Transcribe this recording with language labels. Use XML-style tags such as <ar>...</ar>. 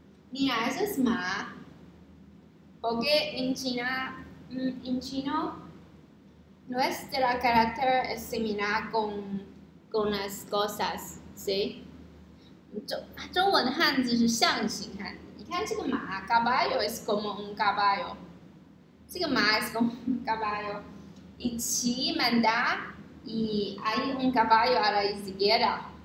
<es>Mira, eso es ma. Porque en China, en chino, nuestro carácter es similar con las cosas, ¿sí?</es> <zh>中文的汉字是象形汉字。你看这个马</zh> <es>，caballo es como un caballo，</es> <zh>这个马</zh> <es>es como un caballo，</es> <zh>一骑</zh> <es>manda y hay un caballo a la izquierda。</es>